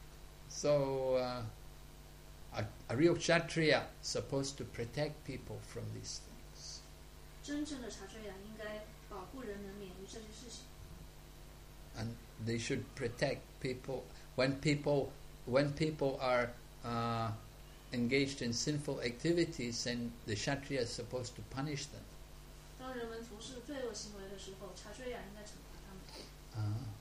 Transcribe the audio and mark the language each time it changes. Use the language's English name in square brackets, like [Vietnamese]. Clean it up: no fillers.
[English] a real kshatriya supposed to protect people from these things. [Chinese] 真正的查查亚应该保护人们免于这些事情。 [English] And they should protect people when people are engaged in sinful activities, and the kshatriya is supposed to punish them.